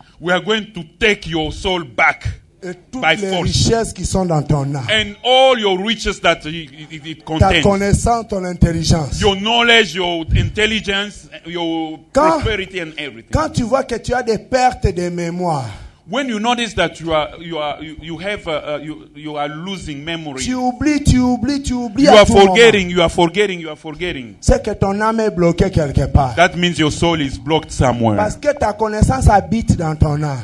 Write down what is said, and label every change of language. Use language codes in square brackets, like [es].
[en] We are going to take your soul back. [fr] Et toutes by les force. Richesses qui sont dans ton âme. [en] And all your riches that it contains. [fr] Ta connaissance, ton intelligence. [en] Your knowledge, your intelligence, your prosperity and everything. [fr] Quand tu vois que tu as des pertes de mémoire. [en] When you notice that you are losing memory. [fr] Tu oublies. [en] You are forgetting. [fr] C'est que ton âme est bloquée quelque part. [en] That means your soul is blocked somewhere. [fr] Parce que ta connaissance habite dans ton âme.